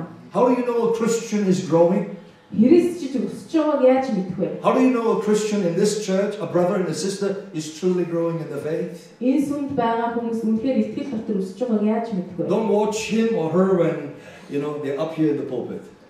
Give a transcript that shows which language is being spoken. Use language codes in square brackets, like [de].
[en] How do you know a Christian is growing? [mn] Христчид өсөж байгааг яаж мэдэх вэ? [en] How do you know a Christian in this church, a brother and a sister is truly growing in the faith? [mn] Иесүнд байгаа хүмүүс үнэхээр итгэл дотор өсөж байгааг яаж мэдэх вэ? [en] Don't watch him or her when you know they're up here in the pulpit.